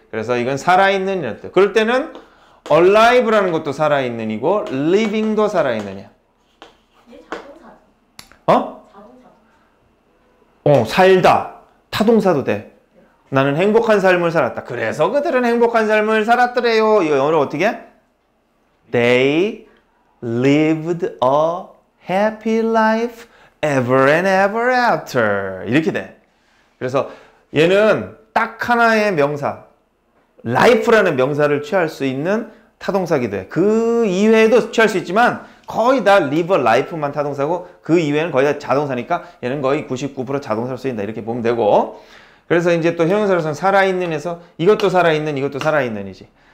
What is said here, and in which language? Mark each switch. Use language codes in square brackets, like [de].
[ko] 그래서 이건 살아있는 이런 뜻. 그럴 때는 alive라는 것도 살아있는이고 living도 살아있느냐. 얘 자동사. 어? 자동사. 살다. 타동사도 돼. 나는 행복한 삶을 살았다. 그래서 그들은 행복한 삶을 살았더래요. 이거 영어로 어떻게? [en] They lived a happy life ever and ever after. [ko] 이렇게 돼. 그래서 얘는 딱 하나의 명사. life라는 명사를 취할 수 있는 타동사기도 해. 그 이외에도 취할 수 있지만 거의 다 [en] live a life [ko] 만 타동사고 그 이외에는 거의 다 자동사니까 얘는 거의 99% 자동사로 쓰인다. 이렇게 보면 되고. 그래서 이제 또 형용사로서는 살아있는에서 이것도 살아있는 이것도 살아있는이지.